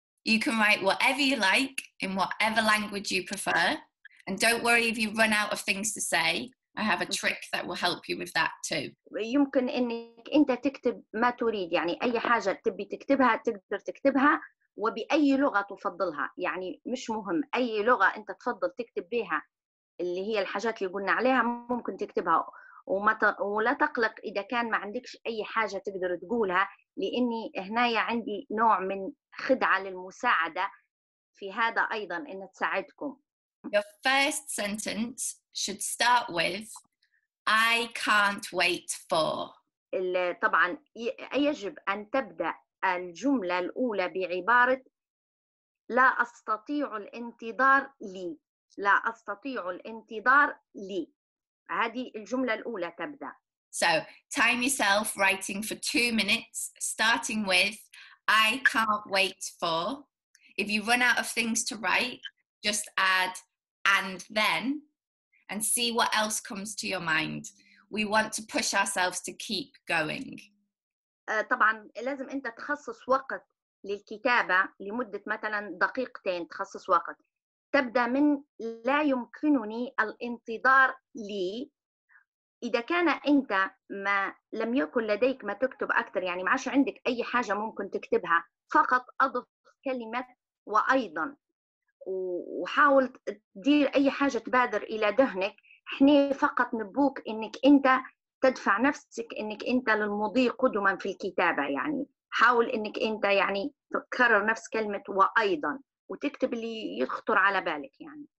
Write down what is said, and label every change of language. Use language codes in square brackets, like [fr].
[en] You can write whatever you like in whatever language you prefer. And don't worry if you run out of things to say. I have a trick that will help you with that too. [ar] يمكن أنك أنت تكتب ما تريد يعني أي حاجة تبي تكتبها تقدر تكتبها وبأي لغة تفضلها يعني مش مهم أي لغة أنت تفضل تكتب بها اللي هي الحاجات اللي قلنا عليها ممكن تكتبها ولا تقلق إذا كان ما عندكش أي حاجة تقدر تقولها لإني هنا عندي نوع من خدعة للمساعدة في هذا أيضاً إن تساعدكم. [en] Your first sentence should start with I can't wait for. [ar] طبعاً يجب أن تبدأ الجملة الأولى بعبارة لا أستطيع الانتظار لي. لا أستطيع الانتظار لي. هذه الجملة الأولى تبدأ. [en] So, time yourself writing for 2 minutes, starting with I can't wait for. If you run out of things to write, just add and then and see what else comes to your mind. we want to push ourselves to keep going. [ar] طبعا لازم انت تخصص وقت للكتابة لمدة مثلا دقيقتين تخصص وقت تبدأ من لا يمكنني الانتظار لي. إذا كان أنت ما لم يكن لديك ما تكتب أكثر يعني ما عاش عندك أي حاجة ممكن تكتبها فقط أضف كلمة وأيضا وحاول تدير أي حاجة تبادر إلى ذهنك إحنا فقط نبوك أنك أنت تدفع نفسك أنك أنت للمضي قدما في الكتابة يعني حاول أنك أنت يعني تكرر نفس كلمة وأيضا وتكتب اللي يخطر على بالك يعني